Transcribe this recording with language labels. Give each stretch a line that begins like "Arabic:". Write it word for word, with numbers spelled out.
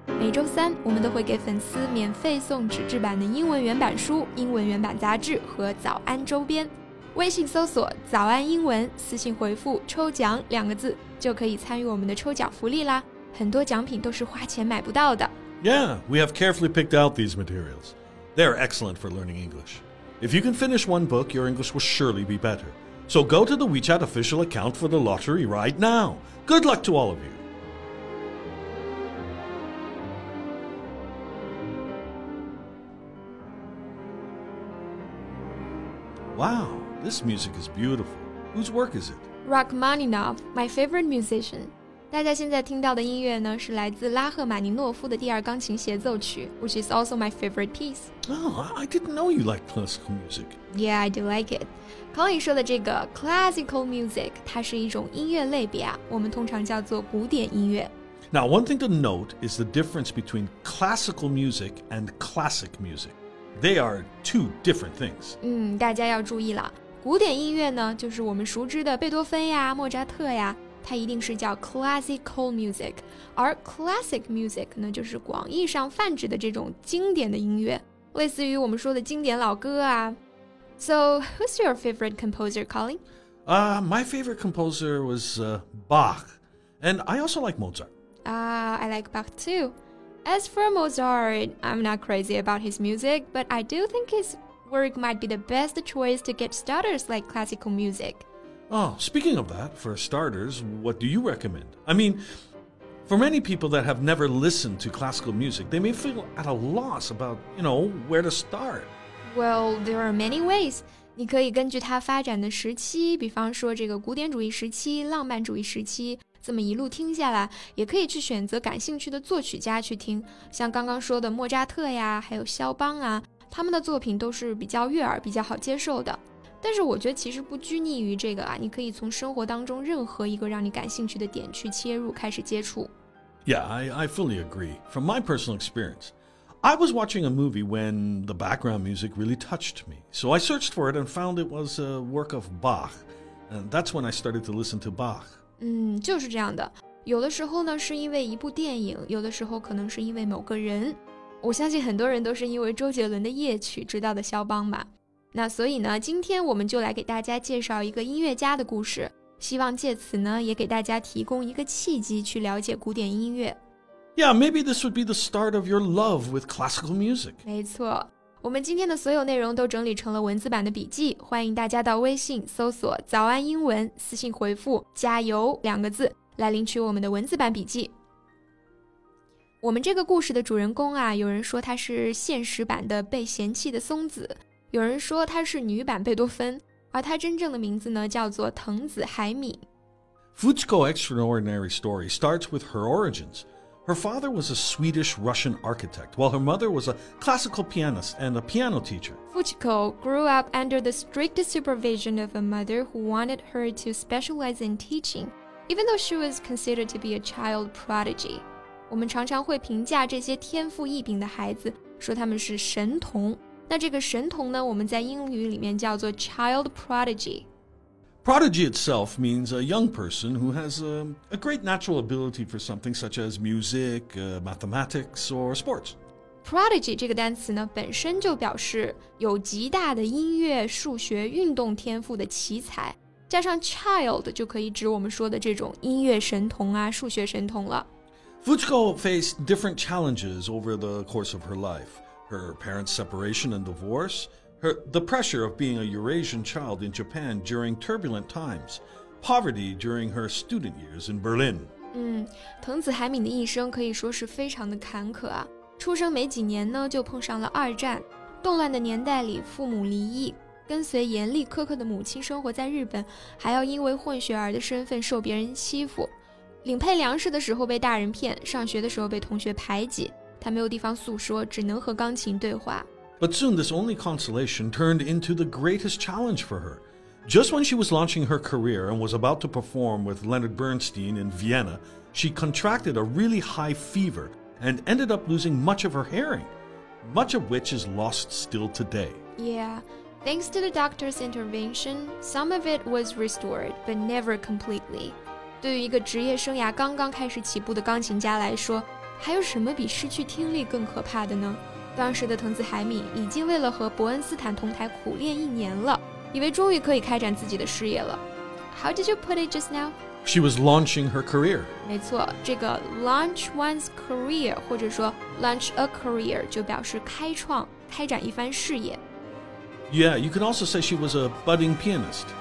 Chinese: 每周三，我们都会给粉丝免费送纸质版的英文原版书、英文原版杂志和早安周边。微信搜索“早安英文”，私信回复“抽奖”两个字，就可以参与我们的抽奖福利啦。很多奖品都是花钱买不到的。
English: Yeah, we have carefully picked out these materials. They are excellent for learning English. If you can finish one book, your English will surely be better. So go to the WeChat official account for the lottery right now. Good luck to all of you. Wow, this music is beautiful. Whose work is it? Rachmaninoff, my favorite musician.
Chinese: 大家现在听到的音乐呢，是来自拉赫玛尼诺夫的第二钢琴协奏曲
English: which is also my favorite piece. Oh, I didn't know you liked classical music. Yeah, I do like it.
Chinese: Colin 说的这个 classical music, 它是一种音乐类别啊，我们通常叫做古典音乐。
English: Now, one thing to note is the difference between classical music and classic music. They are two different things.
Chinese: 嗯，大家要注意了，古典音乐呢，就是我们熟知的贝多芬呀、莫扎特呀。它一定是叫 classical music， 而 classic music 呢，就是广义上泛指的这种经典的音乐，类似于我们说的经典老歌啊。
English: So, who's your favorite composer, Colin? Uh, my favorite composer was uh, Bach, and I also like Mozart. Ah, I like Bach too. As for Mozart, I'm not crazy about his music, but I do think his work might be the best choice to get starters like classical music. Oh, speaking of that, for starters, what do you recommend? I mean, for many people that have never listened to classical music, they may feel at a loss about, you know, where to start. Well, there are many ways.
Chinese: 你可以根据它发展的时期，比方说这个古典主义时期、浪漫主义时期，这么一路听下来，也可以去选择感兴趣的作曲家去听，像刚刚说的莫扎特呀，还有肖邦啊，他们的作品都是比较悦耳、比较好接受的。但是我觉得其实不拘泥于这个啊，你可以从生活当中任何一个让你感兴趣的点去切入，开始接触。
English: Yeah, I, I fully agree. From my personal experience, I was watching a movie when the background music really touched me. So I searched for it and found it was a work of Bach. And that's when I started to listen to Bach.
Chinese: 嗯，就是这样的。有的时候呢，是因为一部电影，有的时候可能是因为某个人。我相信很多人都是因为周杰伦的夜曲知道的肖邦吧。那所以呢，今天我们就来给大家介绍一个音乐家的故事，希望借此呢，也给大家提供一个契机去了解古典音乐。
English: Yeah, maybe this would be the start of your love with classical music.
Chinese: 没错，我们今天的所有内容都整理成了文字版的笔记，欢迎大家到微信搜索“早安英文”，私信回复“加油”两个字来领取我们的文字版笔记。我们这个故事的主人公啊，有人说他是现实版的被嫌弃的松子。有人说她是女版贝多芬，而她真正的名字呢，叫做藤子海敏。
English: Fujiko's extraordinary story starts with her origins. Her father was a Swedish-Russian architect, while her mother was a classical pianist and a piano teacher. Fujiko grew up under the strict supervision of a mother who wanted her to specialize in teaching, even though she was considered to be a child prodigy.
Chinese: 我们常常会评价这些天赋异禀的孩子，说他们是神童。那这个神童呢，我们在英语里面叫做 child prodigy.
English: Prodigy itself means a young person who has a, a great natural ability for something such as music, uh, mathematics, or sports.
Chinese: Prodigy 这个单词呢，本身就表示有极大的音乐、数学、运动天赋的奇才，加上 child 就可以指我们说的这种音乐神童啊、数学神童了。
English: Fujiko faced different challenges over the course of her life. Her parents' separation and divorce, her, the pressure of being a Eurasian child in Japan during turbulent times, poverty during her student years in Berlin.
Chinese: 嗯，藤子海敏的一生可以说是非常的坎坷啊。出生没几年呢，就碰上了二战。动乱的年代里，父母离异，跟随严厉苛刻的母亲生活在日本，还要因为混血儿的身份受别人欺负。领配粮食的时候被大人骗，上学的时候被同学排挤。他没有地方诉说，只能和钢琴对话。
English: But soon this only consolation turned into the greatest challenge for her. Just when she was launching her career and was about to perform with Leonard Bernstein in Vienna, she contracted a really high fever and ended up losing much of her hearing. much of which is lost still today. Yeah, thanks to the doctor's intervention, some of it was restored, but never completely.
Chinese: 对于一个职业生涯刚刚开始起步的钢琴家来说，还有什么比失去听力更可怕的呢？当时的藤子海敏已经为了和伯恩斯坦同台苦练一年了，以为终于可以开展自己的事业了。
English: How did you put it just now? She was launching her career.
Chinese: 没错，这个 launch one's career 或者说 launch a career 就表示开创、开展一番事业。
English: Yeah, you can also say she was a budding pianist.